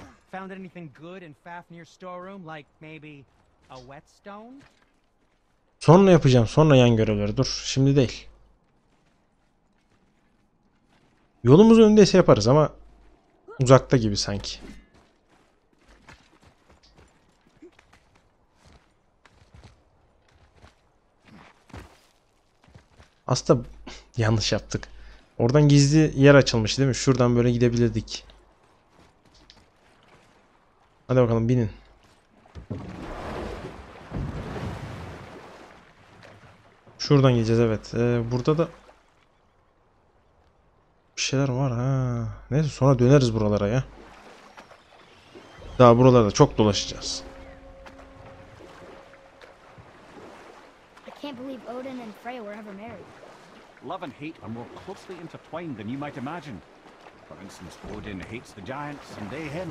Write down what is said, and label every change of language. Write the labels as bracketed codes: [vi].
[en] Found anything good in Fafnir's storeroom, like maybe a whetstone? [tr] Sonra yapacağım, sonra yan görevleri. Dur, şimdi değil. Yolumuz önündeyse yaparız ama uzakta gibi sanki. Aslında yanlış yaptık. Oradan gizli yer açılmış değil mi? Şuradan böyle gidebilirdik. Hadi bakalım, binin. Şuradan gideceğiz, evet. Burada da bir şeyler var ha. Neyse, sonra döneriz buralara ya. Daha buralarda çok dolaşacağız. [en] I can't believe Odin and Freya were ever married. Love and hate are more closely intertwined than you might imagine. For instance, Odin hates the giants and they him.